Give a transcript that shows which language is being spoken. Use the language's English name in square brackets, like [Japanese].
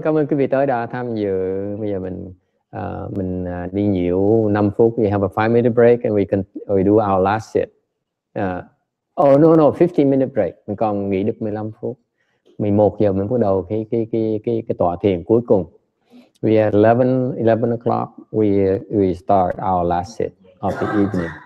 [Vietnamese] Cảm ơn quý vị tới đã tham dự. Bây giờ mình đi nhiễu 5 phút. [English] We have a 5 minute break and we do our last set. Oh no no, 15 minute break. [Vietnamese] Mình còn nghỉ được 15 phút. 11 giờ mình bắt đầu cái tọa thiền cuối cùng. [English] We at 11 o'clock we start our last set of the evening.